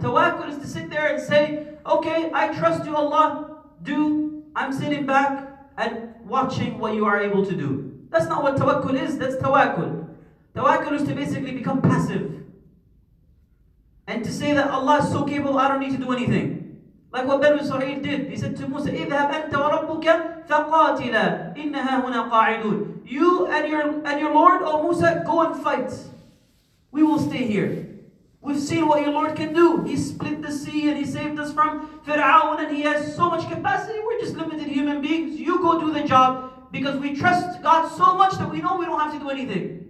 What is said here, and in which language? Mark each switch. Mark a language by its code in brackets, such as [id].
[en] Tawakkul is to sit there and say, okay, I trust you, Allah, do. I'm sitting back and watching what you are able to do. That's not what tawakkul is, that's tawakkul. Tawakkul is to basically become passive. And to say that Allah is so capable, I don't need to do anything. Like what Banu Israel did. He said to Musa, [ar] اِذْهَبْ أَنْتَ وَرَبُّكَ فَقَاتِلَا إِنَّهَا هُنَا قَاعِدُونَ. [en] You and your Lord, O Musa, go and fight. We will stay here. We've seen what your Lord can do. He split the sea and He saved us from Fir'aun, and He has so much capacity. We're just limited human beings. You go do the job, because we trust God so much that we know we don't have to do anything.